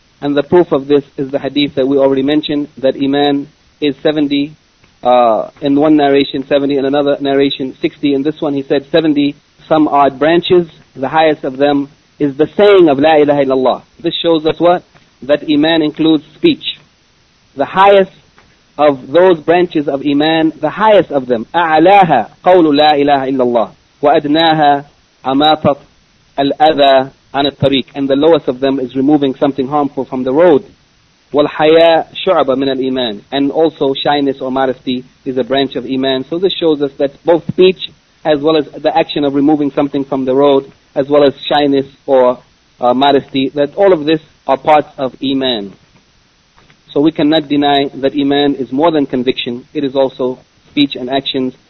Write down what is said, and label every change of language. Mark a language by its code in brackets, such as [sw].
[en] And the proof of this is the hadith that we already mentioned, that iman is 70, in one narration 70, in another narration 60. In this one he said 70 some odd branches. The highest of them is the saying of La ilaha illallah. This shows us what? That iman includes speech. The highest of those branches of iman, the highest of them, [ar] أعلاها قول لا إله إلا الله وأدناها أماطة الأذى عن الطريق. [en] And the lowest of them is removing something harmful from the road. [ar] والحياء شعبة من الإيمان. [en] And also shyness or modesty is a branch of iman. So this shows us that both speech as well as the action of removing something from the road, as well as shyness or modesty, that all of this are parts of iman. So we cannot deny that iman is more than conviction. It is also speech and actions.